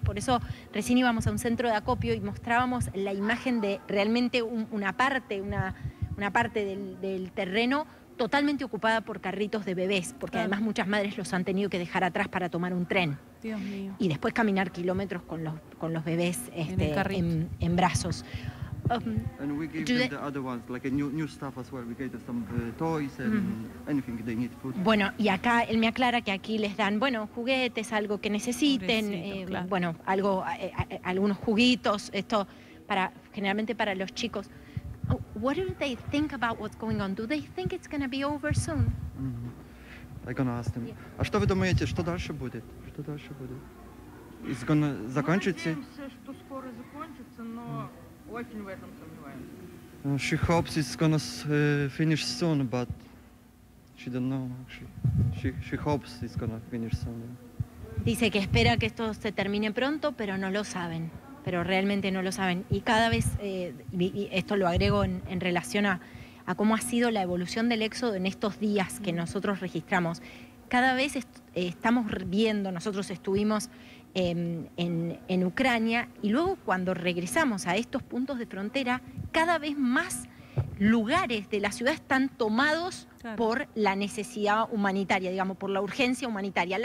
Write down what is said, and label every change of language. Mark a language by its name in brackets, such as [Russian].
[Spanish] Por eso recién íbamos a un centro de acopio y mostrábamos la imagen de realmente una parte del terreno totalmente ocupada por carritos de bebés, porque además muchas madres los han tenido que dejar atrás para tomar un tren. Dios mío. Y después caminar kilómetros con los bebés en brazos. [English] And we give them the other ones, like new stuff as well. We gave them some toys and anything they need, food. [Spanish] Bueno, y acá él me aclara que aquí les dan, bueno, juguetes, algo que necesiten, claro. Bueno, algo, algunos juguitos, esto para generalmente para los chicos. [English] What do they think about what's going on? Do they think it's going to be over soon? I'm going to ask them. Yeah. [Russian] А что вы думаете, что дальше будет? Что дальше будет? [English] It's going to [Russian] закончиться? Мы надеемся, что скоро закончится, но очень в этом сомневаемся. [English] She hopes it's going to finish soon, but she don't know, actually. She hopes it's going to finish soon. [Spanish] Dice que espera que esto se termine pronto, pero no lo saben. Pero realmente no lo saben. Y cada vez, y esto lo agrego en relación a cómo ha sido la evolución del éxodo en estos días que nosotros registramos. Cada vez estamos viendo, nosotros estuvimos en Ucrania, y luego cuando regresamos a estos puntos de frontera, cada vez más lugares de la ciudad están tomados por la necesidad humanitaria, digamos, por la urgencia humanitaria.